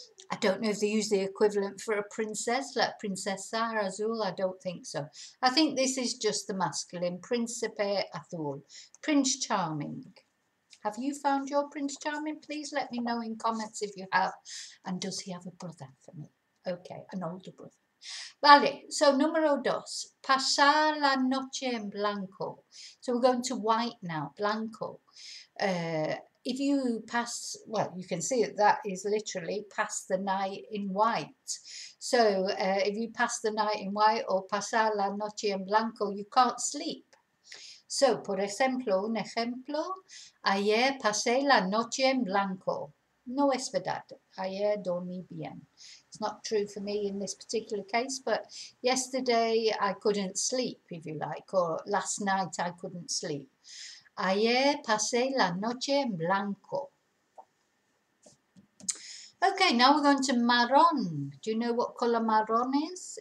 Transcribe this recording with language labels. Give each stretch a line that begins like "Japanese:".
English: I don't know if they use the equivalent for a princess, like princesa azul. I don't think so. I think this is just the masculine, príncipe azul, prince charming. Have you found your prince charming? Please let me know in comments if you have. And does he have a brother for me? Okay, an older brother.
Spanish: Vale, so número dos, pasar la noche en blanco.
English: So we're going to white now, blanco. If you pass, well, you can see that that is literally pass the night in white. So if you pass the night in white or
Spanish: pasar la noche en blanco,
English: you can't sleep.
Spanish: So, por ejemplo, un ejemplo, ayer pasé la noche en blanco. No es verdad. Ayer dormí bien.
English: It's not true for me in this particular case, but yesterday I couldn't sleep, if you like, or last night I couldn't sleep.
Spanish: Ayer pasé la noche en blanco.
English: Okay, now we're going to marrón. Do you know what color marrón is?